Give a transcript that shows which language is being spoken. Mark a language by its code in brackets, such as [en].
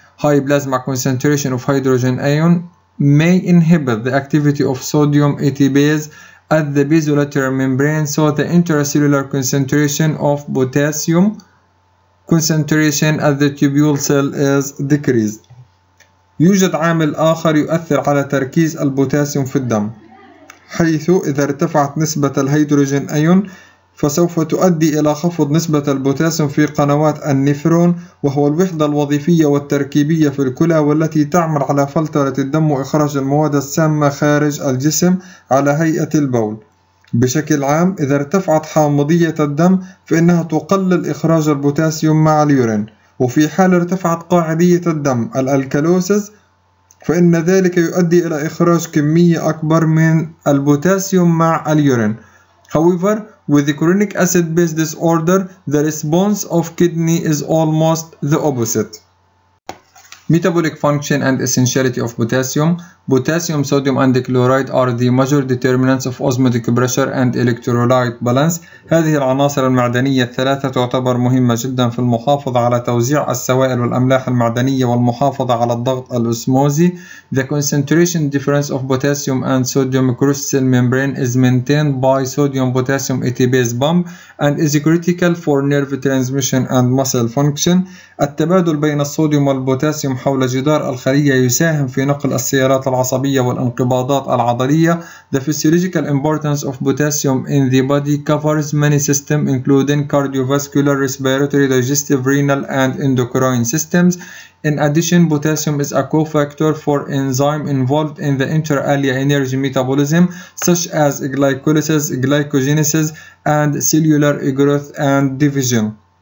[en] High plasma concentration of hydrogen ion may inhibit the activity of sodium ATPase at the basolateral membrane, so the intracellular concentration of potassium concentration at the tubule cell is decreased. [ar] يوجد عامل آخر يؤثر على تركيز البوتاسيوم في الدم، حيث إذا ارتفعت نسبة الهيدروجين أيون فسوف تؤدي إلى خفض نسبة البوتاسيوم في قنوات النفرون، وهو الوحدة الوظيفية والتركيبية في الكلى والتي تعمل على فلترة الدم وإخراج المواد السامة خارج الجسم على هيئة البول. بشكل عام، إذا ارتفعت حامضية الدم فإنها تقلل إخراج البوتاسيوم مع اليورين، وفي حال ارتفعت قاعدية الدم الألكالوسز فإن ذلك يؤدي إلى إخراج كمية أكبر من البوتاسيوم مع اليورين. [en] However, with the chronic acid-base disorder, the response of kidney is almost the opposite. Metabolic function and essentiality of potassium. Potassium, sodium, and chloride are the major determinants of osmotic pressure and electrolyte balance. [ar] هذه العناصر المعدنية الثلاثة تعتبر مهمة جدا في المحافظة على توزيع السوائل والأملاح المعدنية والمحافظة على الضغط الأسموزي. [en] The concentration difference of potassium and sodium across cell membrane is maintained by sodium-potassium ATPase pump and is critical for nerve transmission and muscle function. [ar] التبادل بين الصوديوم والبوتاسيوم حول جدار الخلية يساهم في نقل السيارات العصبية والانقباضات العضلية. [en] The physiological importance of potassium in the body covers many systems including cardiovascular, respiratory, digestive, renal and endocrine systems. In addition, potassium is a cofactor for enzyme involved in the inter-alia energy metabolism such as glycolysis, glycogenesis and cellular growth and division.